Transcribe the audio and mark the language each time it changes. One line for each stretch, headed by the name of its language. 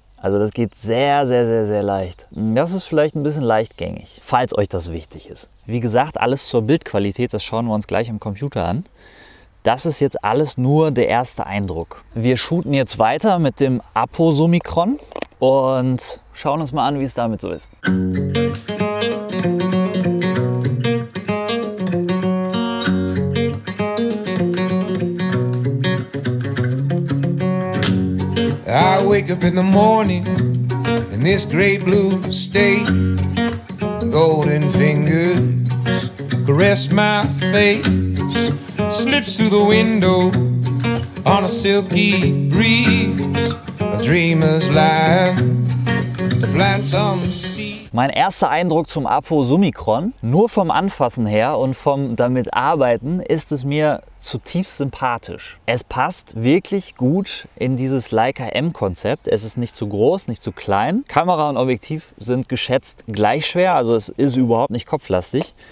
German: Also das geht sehr, sehr, sehr, sehr leicht. Das ist vielleicht ein bisschen leichtgängig, falls euch das wichtig ist. Wie gesagt, alles zur Bildqualität, das schauen wir uns gleich am Computer an. Das ist jetzt alles nur der erste Eindruck. Wir shooten jetzt weiter mit dem Apo Summicron. Und schauen uns mal an, wie es damit so ist.
English: I wake up in the morning in this great blue state. golden fingers caress my face, slips through the window on a silky breeze, a dreamer's life to plant some seeds.
German: Mein erster Eindruck zum Apo Summicron, nur vom Anfassen her und vom damit Arbeiten, ist es mir zutiefst sympathisch. Es passt wirklich gut in dieses Leica M-Konzept. Es ist nicht zu groß, nicht zu klein. Kamera und Objektiv sind geschätzt gleich schwer, also es ist überhaupt nicht kopflastig.